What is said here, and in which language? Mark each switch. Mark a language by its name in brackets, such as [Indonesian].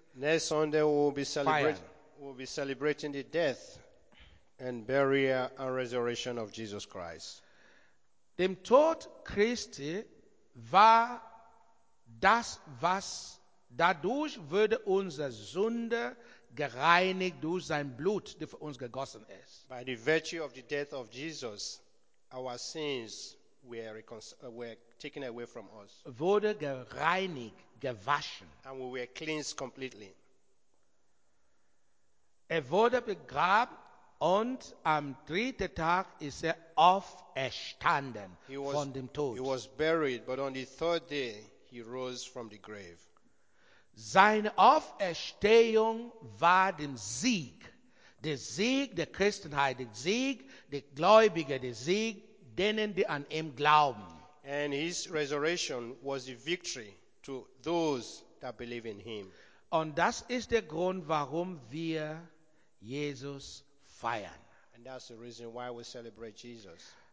[English] Next Sunday we'll be celebrating the death and burial and resurrection of Jesus Christ. [German] Dem Tod Christi war das, was dadurch wurde unsere Sünde gereinigt durch sein Blut, das für uns gegossen ist. [English] By the virtue of the death of Jesus, our sins were taken away from us. [German] Wurde gereinigt, gewaschen. [English] And we were cleansed completely. [German] Wurde begraben und am dritten Tag ist auferstanden von dem Tod. [English] He was buried, but on the third day he rose from the grave. [German] Seine Auferstehung war dem Sieg. Der Sieg der Christenheit, der Sieg der Gläubigen, der Sieg denen, die an ihm glauben. [English] And his resurrection was a victory to those that believe in him. [German] Und das ist der Grund, warum wir Jesus feiern. [English] And that's the reason why we celebrate Jesus.